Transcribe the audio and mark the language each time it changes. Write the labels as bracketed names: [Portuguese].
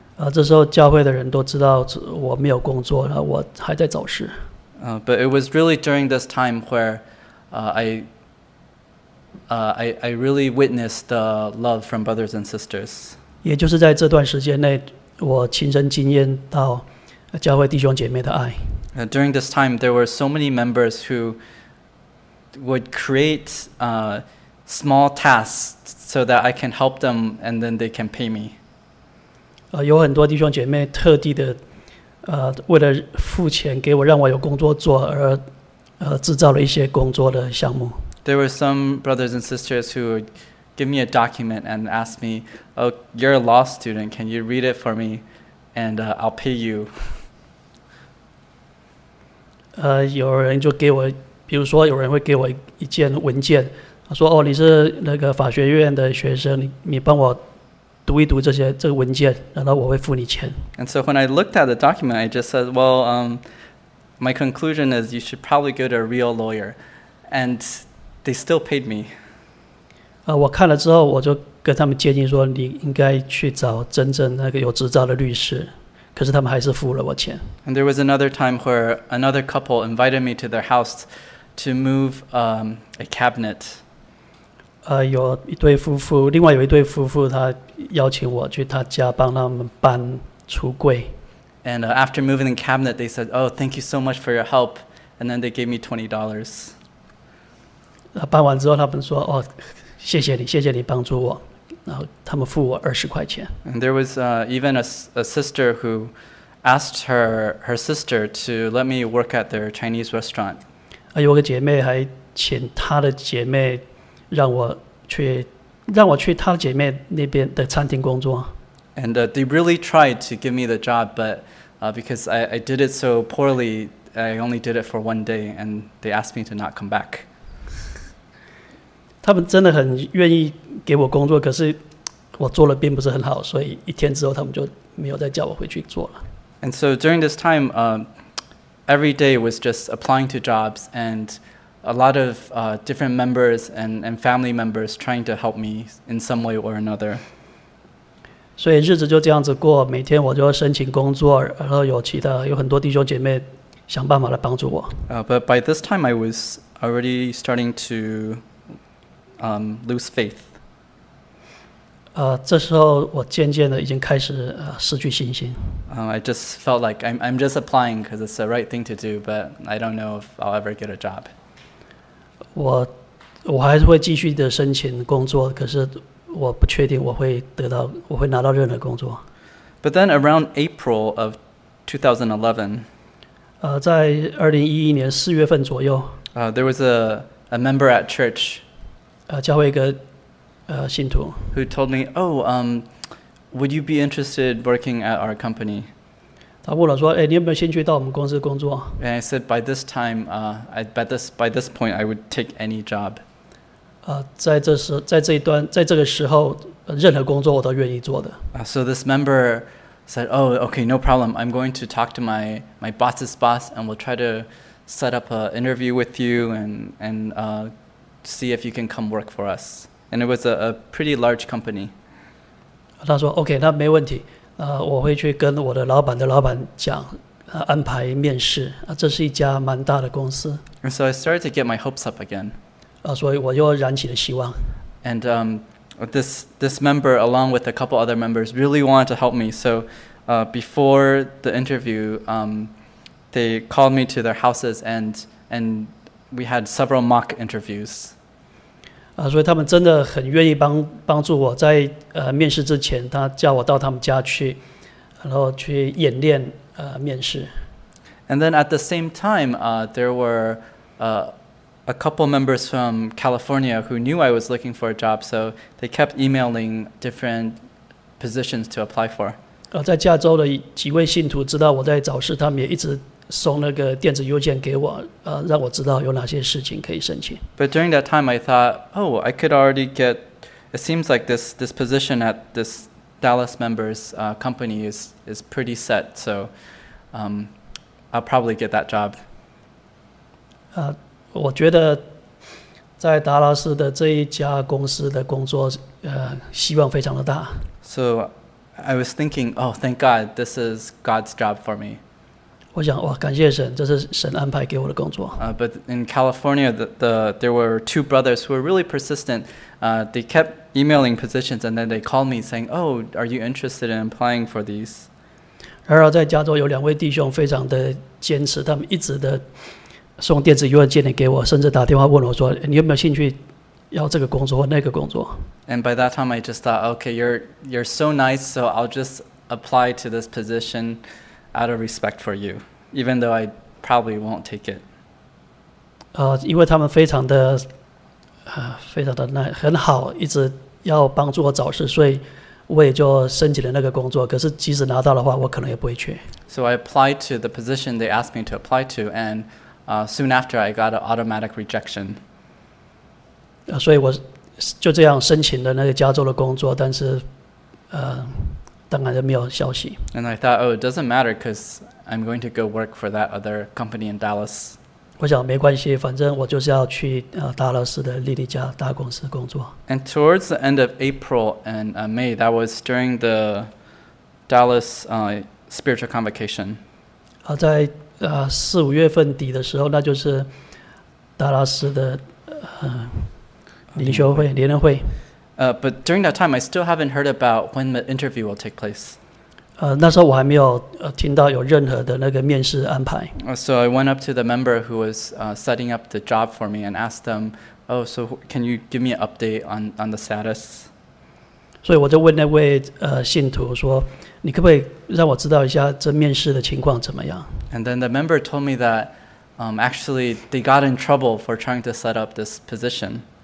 [Chinese] 这时候教会的人都知道我没有工作，然后我还在找事。 [English] But it was really during this time where I really witnessed the love from brothers and sisters. [Chinese] 也就是在这段时间内，我亲身经验到教会弟兄姐妹的爱。 [English] During this time, there were so many members who would create small tasks so that I can help them and then they can pay me. [Chinese] 有很多弟兄姐妹特地的为了付钱给我让我有工作做而制造了一些工作的项目。 [English] There were some brothers and sisters who would give me a document and ask me, oh, you're a law student, can you read it for me and I'll pay you. [Chinese] 有人就给我比如说有人会给我一件文件说哦你是那个法学院的学生 你帮我读一读这些这个文件然后我会付你钱。 [English] And so when I looked at the document, I just said, well, my conclusion is you should probably go to a real lawyer. And they still paid me. [Chinese] 我看了之后我就跟他们建议说你应该去找真正那个有执照的律师。可是他们还是付了我钱。 [English] And there was another time where another couple invited me to their house to move a cabinet. [Chinese] 有一对夫妇，另外有一对夫妇，他邀请我去他家帮他们搬橱柜。 [English] And after moving the cabinet, they said, "Oh, thank you so much for your help." And then they gave me $20. [Chinese] 搬完之后，他们说：“哦，谢谢你，谢谢你帮助我。” 然后他们付我$20。 [English] And there was even a sister who asked her sister to let me work at their Chinese restaurant. [Chinese] 有个姐妹还请她的姐妹让我去她姐妹那边的餐厅工作。 [English] And they really tried to give me the job, but because I did it so poorly, I only did it for one day, and they asked me to not come back. [Chinese] 他们真的很愿意给我工作，可是我做了并不是很好，所以一天之后他们就没有再叫我回去做了。 [English] And so during this time, every day was just applying to jobs, and a lot of different members and family members trying to help me in some way or another. [Chinese] 所以日子就这样子过，每天我就申请工作，然后有很多弟兄姐妹想办法来帮助我。 [English] But by this time, I was already starting to lose faith. [Chinese] 这时候我渐渐的已经开始失去信心。 [English] I just felt like I'm just applying because it's the right thing to do, but I don't know if I'll ever get a job. [Chinese] 我还是会继续的申请工作，可是我不确定我会拿到任何工作。 [English] But then around April of 2011, [Chinese] 在2011年四月份左右 [English] there was a member at church. [Chinese] 教会一个信徒 [English] who told me, would you be interested working at our company? [Chinese] 他问我说，哎，你有没有兴趣到我们公司工作？ [English] And I said, by this time, by this point, I would take any job. [Chinese] 在这个时候，任何工作我都愿意做的。 [English] So this member said, oh, okay, no problem. I'm going to talk to my boss's boss, and we'll try to set up an interview with you and see if you can come work for us. And it was a pretty large company. [Chinese] 他说 ，OK， 那没问题。我会去跟我的老板的老板讲，安排面试。这是一家蛮大的公司。 [English] And so I started to get my hopes up again. [Chinese] 所以我又燃起了希望。 [English] And this member, along with a couple other members, really wanted to help me. So, before the interview, they called me to their houses and we had several mock interviews. [Chinese] 所以他们真的很愿意帮助我在面试之前，他叫我到他们家去，然后去演练面试。 [English] And then at the same time, there were a couple members from California who knew I was looking for a job, so they kept emailing different positions to apply for. [Chinese] 在加州的几位信徒知道我在找事，他们也一直送那个电子邮件给我，让我知道有哪些事情可以申请。 [English] But during that time, I thought, oh, I could already get. It seems like this position at this Dallas member's company is pretty set, so I'll probably get that job. [Chinese] 我觉得在达拉斯的这一家公司的工作，希望非常的大。 [English] So I was thinking, oh, thank God, this is God's job for me. [Chinese] 我想哇，感谢神，这是神安排给我的工作。 [English] But in California, there were two brothers who were really persistent. They kept emailing positions, and then they called me saying, "Oh, are you interested in applying for these?" [Chinese] 然而在加州有两位弟兄非常的坚持，他们一直的送电子邮件给我，甚至打电话问我说，你有没有兴趣要这个工作或那个工作。 [English] And by that time I just thought, okay, you're so nice, so I'll just apply to this position out of respect for you, even though I probably won't take it. [Chinese] 因为他们非常的非常的耐很好，一直要帮助我找事，所以我也就申请了那个工作，可是即使拿到的话我可能也不会去。 [English] So I applied to the position they asked me to apply to, and soon after I got an automatic rejection. [Chinese] 所以我就这样申请了那个加州的工作，但是当然就没有消息。 [English] And I thought, oh, it doesn't matter because I'm going to go work for that other company in Dallas. [Chinese] 我想没关系，反正我就是要去达拉斯的莉莉家大公司工作。 [English] And towards the end of April and May, that was during the Dallas spiritual convocation. [Chinese] 在四五月份底的时候，那就是达拉斯的灵修会联恩会。 [English] But during that time, I still haven't heard about when the interview will take place. [Chinese] 那时候我还没有听到有任何的那个面试安排。 [English] So I went up to the member who was setting up the job for me and asked them, "Oh, so can you give me an update on the status?" [Chinese] 所以我就问那位信徒说，你可不可以让我知道一下这面试的情况怎么样？ [English] And then the member told me that actually they got in trouble for trying to set up this position.